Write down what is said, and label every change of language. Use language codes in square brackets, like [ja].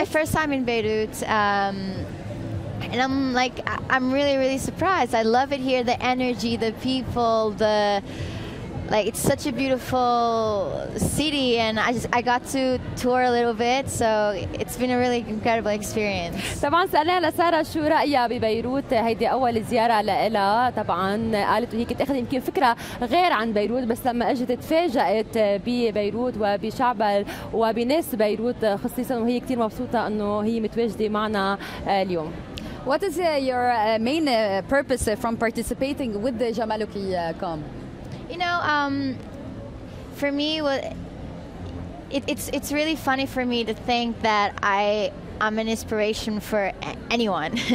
[en] It's my first time in Beirut. And I'm like, I'm really, really surprised. I love it here, the energy, the people, the, like, it's such a beautiful city, and I got to tour a little bit, so it's been a really incredible experience. [ar] طبعا سألنا لسارة شو رأيها ببيروت، هيدي أول زيارة لإلها. طبعا قالت هي كنت أخذ يمكن فكرة غير عن بيروت، بس لما أجت تفاجأت ببيروت وبشعبها وبناس بيروت خصيصا، وهي كتير مبسوطة أنه هي متواجدة معنا اليوم. [en] What is your main purpose from participating with the Jamal وكيكان? You know, for me, it's really funny for me to think that I'm an inspiration for anyone.